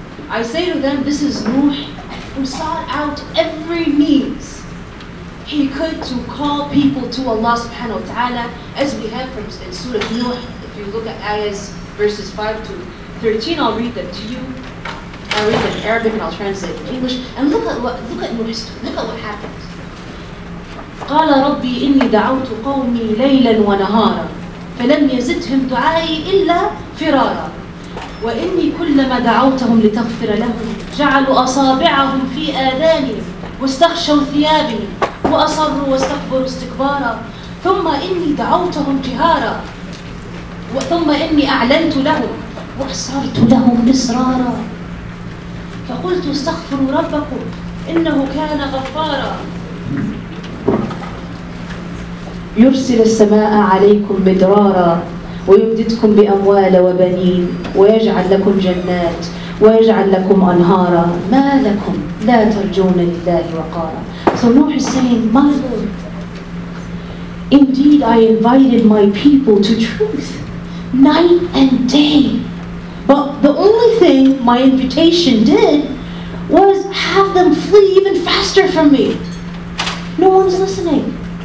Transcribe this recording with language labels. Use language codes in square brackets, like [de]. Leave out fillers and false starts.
[en] I say to them, this is Nuh, who sought out every means he could to call people to Allah subhanahu wa ta'ala, as we have from in Surah Nuh. If you look at ayahs verses 5 to 13, I'll read them to you. I'll read them in Arabic and I'll translate in English. And look at Nuh's story. Look at what happened. [ar] قَالَ رَبِّ إِنِّي دَعَوْتُ قَوْمِي لَيْلًا وَنَهَارًا فَلَمْ يَزِدْهِمْ دُعَائِي إِلَّا فِرَارًا وَإِنِّي كُلَّمَا دَعَوْتَهُمْ لِتَغْفِرَ لَهُمْ جَعَلُوا أَصَابِعَهُمْ فِي آذَانِهِمْ وَاسْتَغْشَوْا ثِيَابِهِمْ وأصروا واستكبروا استكبارا ثم إني دعوتهم جهارا ثم إني أعلنت لهم وأسررت لهم إسرارا فقلت استغفروا ربكم إنه كان غفارا يرسل السماء عليكم مدرارا ويمددكم بأموال وبنين ويجعل لكم جنات ويجعل لكم أنهارا ما لكم لا ترجون لله وقارا. [en] So Nuh is saying, my Lord, indeed I invited my people to truth, night and day. But the only thing my invitation did was have them flee even faster from me. No one's listening.